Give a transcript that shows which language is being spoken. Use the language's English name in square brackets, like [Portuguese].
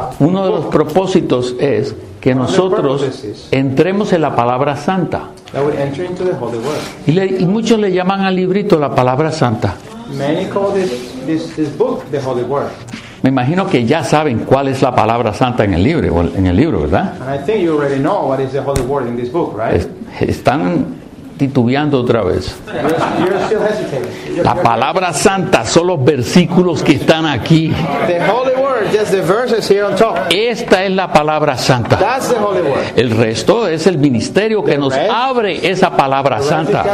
[Spanish] Uno de los propósitos es que nosotros entremos en la palabra santa. [English] That we enter into the holy word. [Spanish] Y muchos le llaman al librito la palabra santa. [English] Many call this book the holy word. [Spanish] Me imagino que ya saben cuál es la palabra santa en el libro, ¿verdad? [English] And I think you already know what is the holy word in this book, right? [Spanish] Están titubeando otra vez. [English] You're still hesitating. [Spanish] La palabra santa son los versículos que están aquí. [English] The holy word, just the verses here on top. [Spanish] Esta es la palabra santa. [English] That's the holy word. [Spanish] El resto es el ministerio que nos abre esa palabra santa.